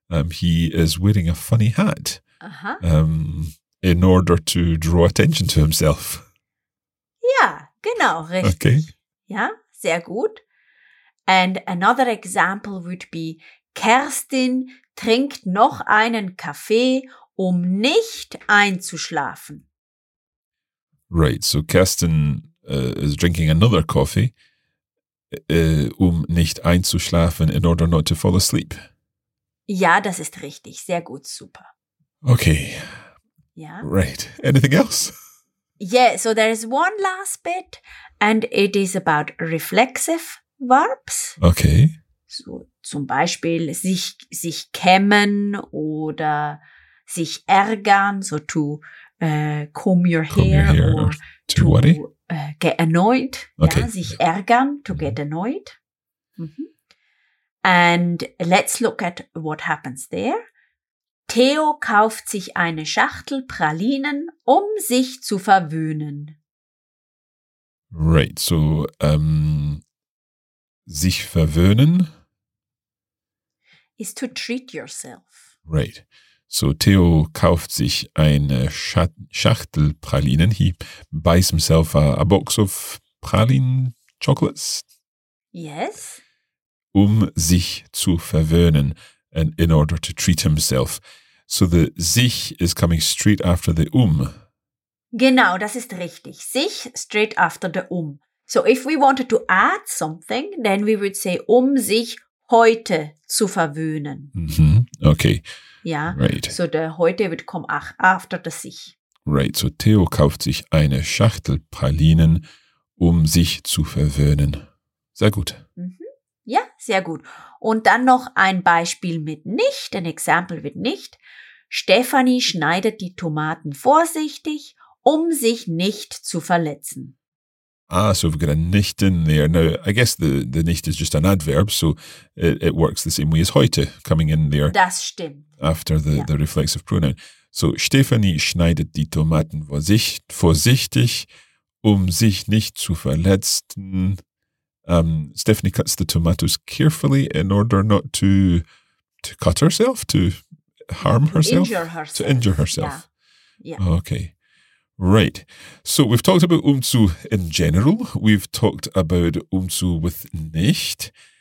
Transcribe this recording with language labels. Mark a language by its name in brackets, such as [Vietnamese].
[English] He is wearing a funny hat. Uh-huh. In order to draw attention to himself. [German] Ja, genau, richtig. [English] Okay. [German] Ja, sehr gut. [English] And another example would be, [German] Kerstin trinkt noch einen Kaffee, um nicht einzuschlafen. [English] Right, so Kerstin is drinking another coffee, [German] nicht einzuschlafen, [English] in order not to fall asleep. [German] Ja, das ist richtig. Sehr gut, super. [English] Okay. [German] Ja. [English] Right. Anything else? Yeah, so there is one last bit, and it is about reflexive verbs. Okay. [German] So zum Beispiel sich kämmen oder sich ärgern, [English] so to comb your hair, or to worry. Get annoyed. Okay. [German] Ja, sich ärgern, [English] to get annoyed. Mm-hmm. And let's look at what happens there. [German] Theo kauft sich eine Schachtel Pralinen, um sich zu verwöhnen. [English] Right, so [German] sich verwöhnen [English] is to treat yourself. Right, so [German] Theo kauft sich eine Schachtel Pralinen. [English] He buys himself a box of praline chocolates. Yes. [German] Um sich zu verwöhnen, [English] and in order to treat himself. So the sich is coming straight after the [German] Genau, das ist richtig. [English] Sich straight after the So if we wanted to add something, then we would say [German] sich heute zu verwöhnen. [English] Mm-hmm. Okay. [German] Ja, [English] right. So the heute would come after the sich. [German] Right, so Theo kauft sich eine Schachtel Pralinen, sich zu verwöhnen. Sehr gut. Mm-hmm. Ja, sehr gut. Und dann noch ein Beispiel mit nicht, ein Example mit nicht. Stefanie schneidet die Tomaten vorsichtig, sich nicht zu verletzen. [English] Ah, so we've got a nicht in there. Now, I guess the nicht is just an adverb, so it works the same way as heute, coming in there. [German] Das stimmt. [English] After the reflexive pronoun. [German] So Stefanie schneidet die Tomaten vorsichtig, sich nicht zu verletzen. [English] Stephanie cuts the tomatoes carefully in order not to cut herself, to harm herself. To injure herself. Yeah. Yeah. Okay. Right. So we've talked about zu in general. We've talked about zu with nicht.